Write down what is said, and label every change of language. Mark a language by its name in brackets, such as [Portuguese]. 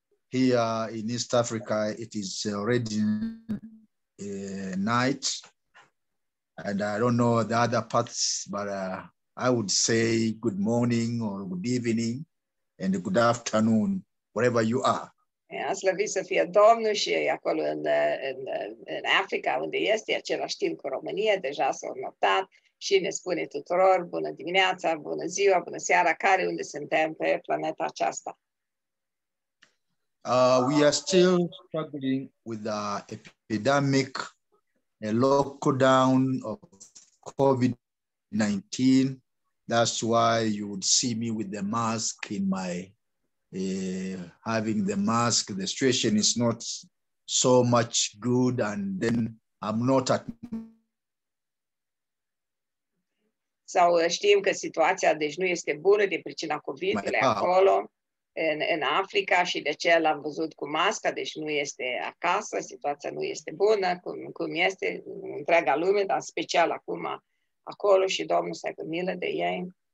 [English] Here in East Africa, it is already night, and I don't know the other parts, but I would say good morning or good evening, and good afternoon, wherever you are. [Romanian] Yeah, slăvit să fie Domnul și acolo în Africa, unde este, același timp cu România, deja s-a notat și ne spune tuturor bună dimineața, bună ziua, bună seara, care unde suntem pe planeta aceasta. [English] We are still struggling with the epidemic, a lockdown of COVID-19. That's why you would see me with the mask in my having the mask. The situation is not so much good, and then I'm not at. [Romanian] Sau știm că situația deci nu este bună din pricina COVID-ului acolo în Africa și de ce l-am văzut cu masca, deci nu este acasă, situația nu este bună cum este întreaga lume, dar special acum acolo și Domnul să aibă milă de ei.